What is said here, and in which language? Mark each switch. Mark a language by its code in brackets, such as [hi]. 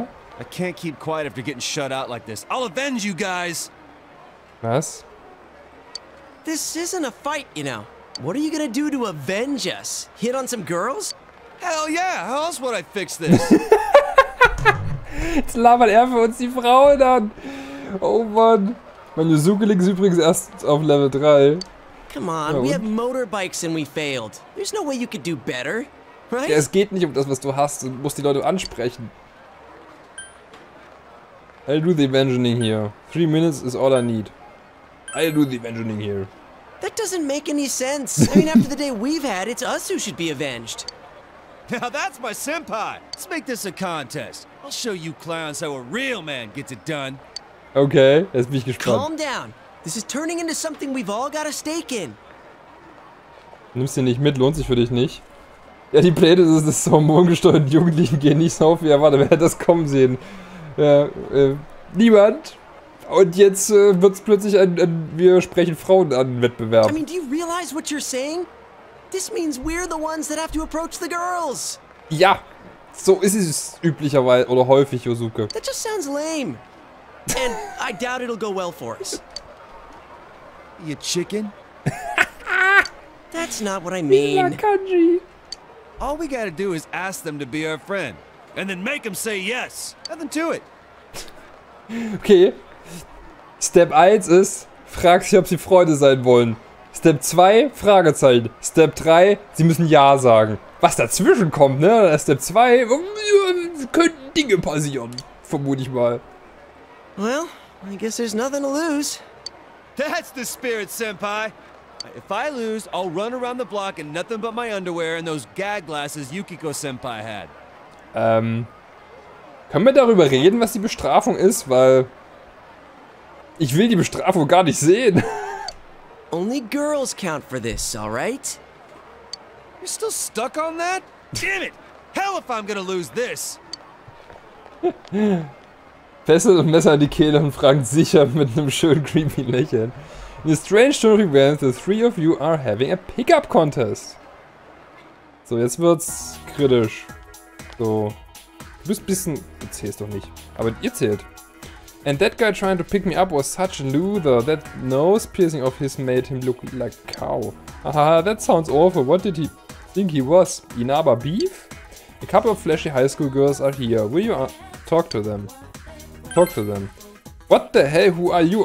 [en] I can't keep quiet after getting shut out like this. I'll avenge you guys! [de] Was? [en] This isn't a fight, you know. What are you gonna do to avenge us? Hit on some girls? Hell yeah! How else would I fix this? [de] Jetzt labert er für uns die Frauen an! Oh man! Mein Yuzuki liegt übrigens erst auf Level 3. [en] Come on, ja, we have motorbikes and we failed. There's no way you could do better, right? [de] Ja, es geht nicht um das, was du hast. Du musst die Leute ansprechen. [en] I'll do the avenging here. 3 minutes is all I need. I'll do the avenging here. That doesn't make any sense. I mean, after the day we've had, it's us who should be avenged. Now that's my senpai. Let's make this a contest. I'll show you clowns how a real man gets it done. [de] Okay, jetzt bin ich gespannt. [en] Calm down. This is turning into something we've all got a stake in. [de] Nimmst du nicht mit, lohnt sich für dich nicht. Ja, die Pläne des hormongesteuerten Jugendlichen gehen nicht so auf wie erwartet. Wer hätte das kommen sehen? Niemand. Und jetzt wird's plötzlich ein wir sprechen Frauen an Wettbewerb. [en] I mean, do you realize what you're saying? This means we're the ones that have to approach the girls. [de] Ja, so ist es üblicherweise oder häufig, Yuzuki. [en] That just sounds lame. And I doubt it'll go well for us. You chicken? That's not what I mean. He's not kanji. All we gotta do is ask them to be our friend. And then make him say yes. Nothing to it. Okay. [de] Step 1 ist, frag sie, ob sie Freunde sein wollen. Step 2, Fragezeichen. Step 3, sie müssen ja sagen. Was dazwischen kommt, ne? Step 2, könnten Dinge passieren. Vermute ich mal. [en] Well, I guess there's nothing to lose. That's the spirit, Senpai. If I lose, I'll run around the block in nothing but my underwear and those gag glasses Yukiko-Senpai had. [de] Können wir darüber reden, was die Bestrafung ist? Weil ich will die Bestrafung gar nicht sehen. [en] Only girls count for this, all right? You're still stuck on that? Damn it! Hell if I'm gonna lose this! [de] Fessel und Messer an die Kehle und fragt sicher mit einem schönen creepy Lächeln. [en] In a strange story, the three of you are having a pickup contest. [de] So, jetzt wird's kritisch. So, du bist ein bisschen, du zählst doch nicht, aber ihr zählt. [en] And that guy trying to pick me up was such a loser. That nose piercing of his made him look like a cow. Haha, that sounds awful. What did he think he was? Inaba beef? A couple of flashy high school girls are here. Will you talk to them? Talk to them. What the hell? Who are you?